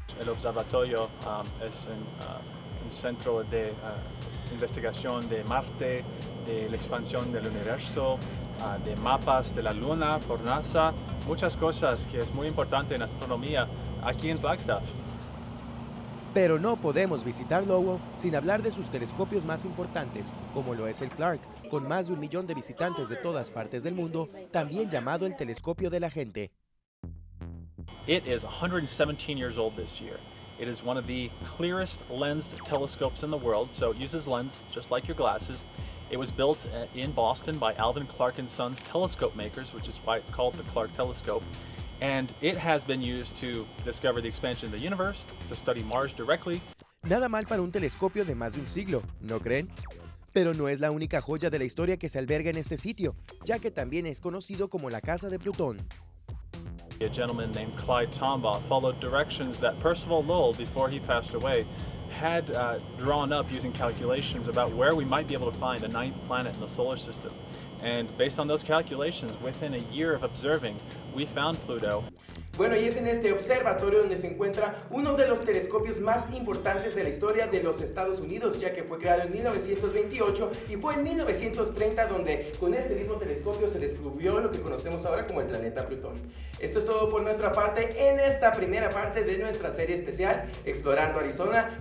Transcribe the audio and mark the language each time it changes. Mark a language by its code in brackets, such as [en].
[es] El observatorio es en un centro de investigación de Marte, de la expansión del universo, de mapas de la Luna por NASA, muchas cosas que es muy importante en astronomía aquí en Flagstaff. Pero no podemos visitar Lowell sin hablar de sus telescopios más importantes, como lo es el Clark, con más de 1 millón de visitantes de todas partes del mundo, también llamado el telescopio de la gente. [en] It is 117 years old this year. It is one of the clearest lensed telescopes in the world, so it uses lens just like your glasses. It was built in Boston by Alvin Clark and Sons telescope makers, which is why it's called the Clark Telescope. And it has been used to discover the expansion of the universe, to study Mars directly. [es] Nada mal para un telescopio de más de un siglo, ¿no creen? Pero no es la única joya de la historia que se alberga en este sitio, ya que también es conocido como la Casa de Plutón. [en] A gentleman named Clyde Tombaugh followed directions that Percival Lowell, before he passed away, had drawn up using calculations about where we might be able to find a ninth planet in the solar system. And based on those calculations, within a year of observing, we found Pluto. [es] Bueno, y es en este observatorio donde se encuentra uno de los telescopios más importantes de la historia de los Estados Unidos, ya que fue creado en 1928 y fue en 1930 donde con este mismo telescopio se descubrió lo que conocemos ahora como el planeta Plutón. Esto es todo por nuestra parte en esta primera parte de nuestra serie especial Explorando Arizona.